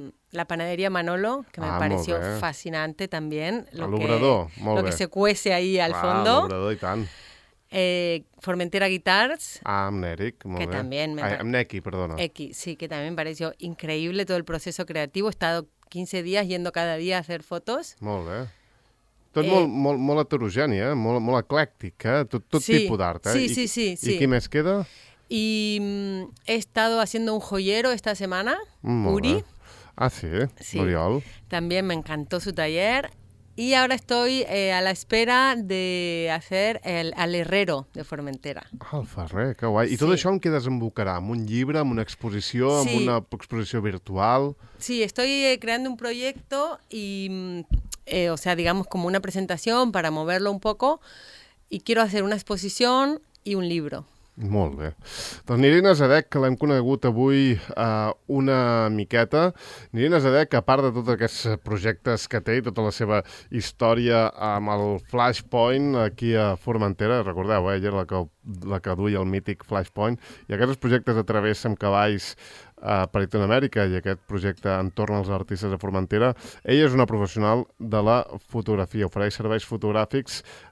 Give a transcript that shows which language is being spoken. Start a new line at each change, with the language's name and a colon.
Spanish: La panadería Manolo, que me pareció fascinante también.
Catalan: L'Obrador, molt bé.
Spanish: Lo que se cuece ahí al fondo.
Catalan: L'Obrador, i tant. Formentera Guitars. Amb Eric, molt
Spanish: bé. Que también me
Catalan: Amb Eki, perdona.
Spanish: Eki, sí, que también me pareció increíble todo el proceso creativo. He estado 15 días yendo cada día a hacer fotos.
Catalan: Molt bé. Tot molt heterogènia, molt eclèctica, tot tipus d'art. Sí, sí, sí. I qui més queda?
Spanish: Y he estado haciendo un joyero esta semana, Uri.
Catalan: Ah, sí, sí. Oriol.
Spanish: También me encantó su taller. Y ahora estoy a la espera de hacer el herrero de Formentera.
Catalan: El ferrer, que guay. Y sí.
Spanish: Todo eso en qué desembocará, en un libro, en una exposición, en una exposición virtual. Sí, estoy creando un proyecto y, o sea, digamos como una presentación para moverlo un poco. Y quiero hacer una exposición y un libro.
Catalan: Molt bé. Doncs Irina Zadek, que l'hem conegut avui una miqueta. Irina Zadek, a part de tots aquests projectes que té i tota la seva història amb el Flashpoint aquí a Formentera, recordeu, ella era la que duia el mític Flashpoint, i aquests projectes de travessa amb cavalls per Itunamèrica i aquest projecte entorn als artistes de Formentera, ella és una professional de la fotografia, ofereix serveis fotogràfics